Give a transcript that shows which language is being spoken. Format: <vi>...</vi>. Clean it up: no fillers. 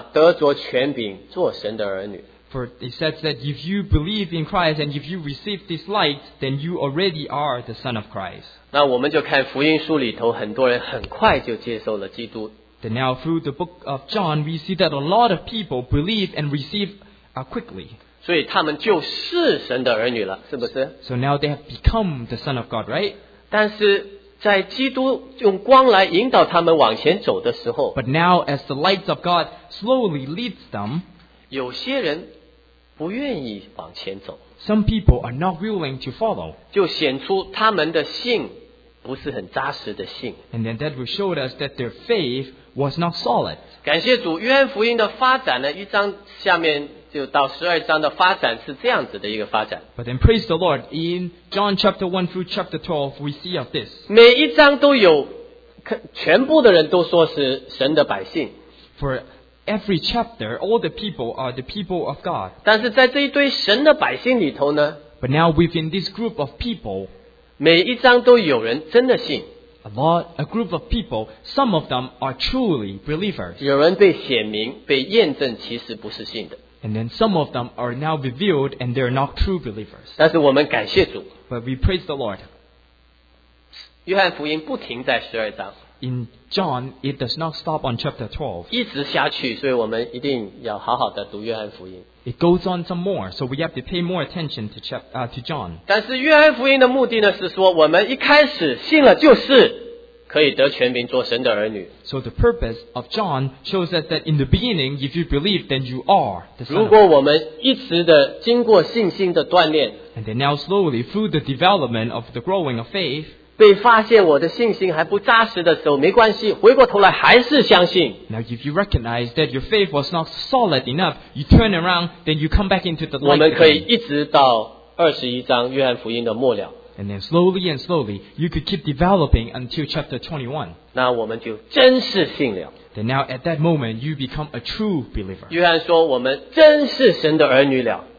<zh>接收光的就怎么得着权柄做神的儿女。</zh> <en>For it says that if you believe in Christ and if you receive this light, then you already are the Son of Christ.</en> <zh>那我们就看福音书里头很多人很快就接受了基督。Then</zh> <en>now through the book of John, we see that a lot of people believe and receive quickly.</en> <zh>所以他们就是神的儿女了，是不是？</zh> <en>So now they have become the Son of God, right?</en> <zh>但是在基督用光来引导他们往前走的时候</zh> <en>，But now as the light of God slowly leads them，</en> <zh>有些人不愿意往前走</zh> <en>，Some people are not willing to follow，</en> <zh>就显出他们的信不是很扎实的信</zh> <en>，And then that will show us that their faith was not solid。</en> <zh>感谢主，约翰福音的发展呢，一章下面。就到十二章的发展是这样子的一个发展。</zh> <en>But then praise the Lord, in John chapter 1 through chapter 12, we see of this.</en> <zh>每一章都有，全部的人都说是神的百姓。</zh> <en>For every chapter, all the people are the people of God.</en> <zh>但是在这一堆神的百姓里头呢</zh> <en>？But now within this group of people,</en> <zh>每一章都有人真的信。</zh> <en>A group of people, some of them are truly believers.</en> <zh>有人被显明，被验证，其实不是信的。</zh> <en>And then some of them are now revealed and they're not true believers.</en> <zh>但是我们感谢主。</zh> <en>But we praise the Lord.</en> <zh>约翰福音不停在十二章。</zh> <en>In John, it does not stop on chapter 12.</en> <zh>一直下去，所以我们一定要好好的读约翰福音。</zh> <en>It goes on some more, so we have to pay more attention to John.</en> <zh>但是约翰福音的目的呢，是说我们一开始信了就是。可以得权柄做神的儿女。</zh> <en>So the purpose of John shows us that in the beginning, if you believe, then you are the son.</en> <zh>如果我们一直的经过信心的锻炼</zh> <en>，and then now slowly through the development of the growing of faith,</en> <zh>被发现我的信心还不扎实的时候，没关系，回过头来还是相信。</zh> <en>Now if you recognize that your faith was not solid enough, you turn around, then you come back into the light.</en> <zh>我们可以一直到二十一章约翰福音的末了。</zh> <en>And then slowly and slowly, you could keep developing until chapter 21.</en> <zh>那我们就真是信了。</zh> <en>Then now at that moment, you become a true believer.</en> <zh>约翰说我们真是神的儿女了。</zh>